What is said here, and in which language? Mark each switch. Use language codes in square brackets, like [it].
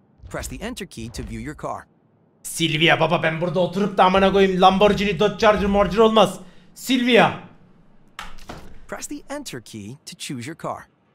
[en] Press the enter key to view your car. [tr] Silvia baba, ben burada oturup da amına koyayım Lamborghini, Dodge Charger, Morger olmaz. Silvia. [en] Press the enter key to choose your car.